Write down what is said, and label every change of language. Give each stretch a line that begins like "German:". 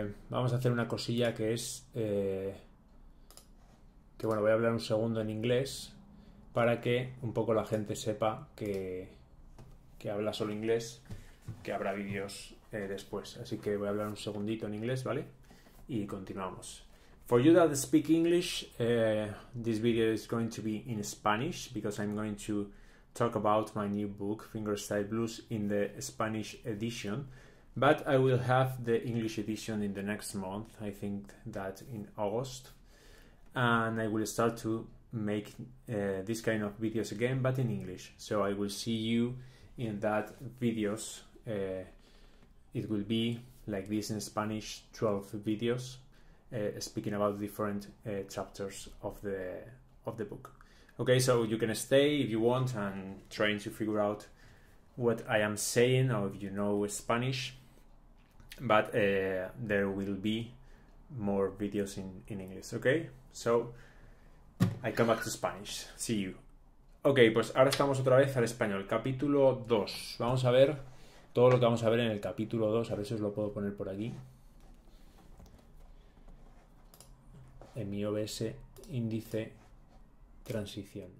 Spanish: Vamos a hacer una cosilla que es, que bueno, voy a hablar un segundo en inglés para que un poco la gente sepa que habla solo inglés, que habrá vídeos después. Así que voy a hablar un segundito en inglés, ¿vale? Y continuamos.
English: For you that speak English, this video is going to be in Spanish because I'm going to talk about my new book, Fingerstyle Blues, in the Spanish edition. But I will have the English edition in the next month. I think that in August. And I will start to make this kind of videos again, but in English. So I will see you in that videos. It will be like this in Spanish, 12 videos speaking about different chapters of the book. Okay, so you can stay if you want and trying to figure out what I am saying or if you know Spanish, but there will be more videos in English. Okay, so I come back to Spanish. See you.
Spanish: Ok, pues ahora estamos otra vez al español, capítulo 2. Vamos a ver todo lo que vamos a ver en el capítulo 2, a ver si os lo puedo poner por aquí. En mi OBS índice transición.